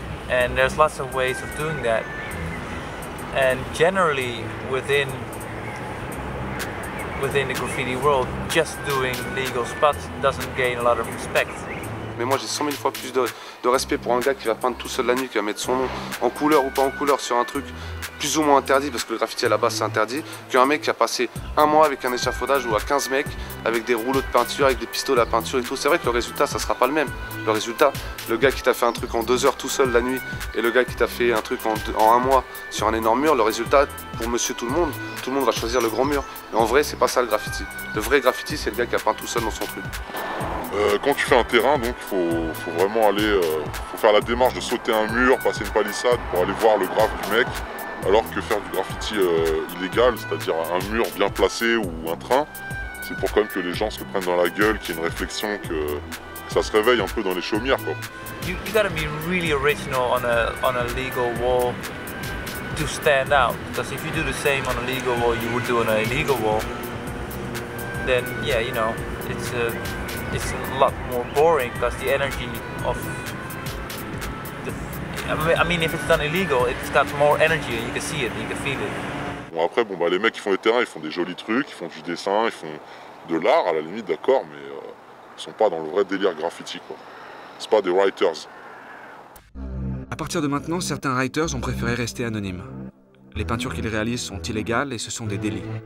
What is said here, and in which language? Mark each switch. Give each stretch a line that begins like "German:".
English: And there's lots of ways of doing that. And generally, within the graffiti world, just doing legal spots doesn't gain a lot of respect.
French: Mais moi, j'ai 100 000 fois plus de respect pour un gars qui va peindre tout seul la nuit, qui va mettre son nom en couleur ou pas en couleur sur un truc plus ou moins interdit, parce que le graffiti à la base c'est interdit, qu'un mec qui a passé un mois avec un échafaudage ou à 15 mecs avec des rouleaux de peinture, avec des pistolets à peinture et tout. C'est vrai que le résultat ça sera pas le même. Le résultat, le gars qui t'a fait un truc en 2 heures tout seul la nuit et le gars qui t'a fait un truc en un mois sur un énorme mur, le résultat pour monsieur tout le monde va choisir le grand mur. Mais en vrai, c'est pas ça le graffiti. Le vrai graffiti, c'est le gars qui a peint tout seul dans son truc. Quand tu fais un terrain, donc il faut vraiment faut faire la démarche de sauter un mur, passer une palissade pour aller voir le grave du mec. Alors que faire du graffiti illégal, c'est-à-dire un mur bien placé ou un train, c'est pour quand même que les gens se prennent dans la gueule, qu'il y ait une réflexion, que ça se réveille un peu dans les chaumières, quoi.
English: You gotta be really original on a legal wall to stand out. Because if you do the same on a legal wall you would do on an illegal wall, then yeah, you know, it's a lot more boring because the energy of if it's done illegal, it's got more energy and you can see it, you can feel it.
French: Bon après bon bah les mecs qui font les terrains, ils font des jolis trucs, ils font du dessin, ils font de l'art à la limite, d'accord, mais ils sont pas dans le vrai délire graffiti quoi. C'est pas des writers. À partir de maintenant, certains writers ont préféré rester anonymes. Les peintures qu'ils réalisent sont illégales et ce sont des délits.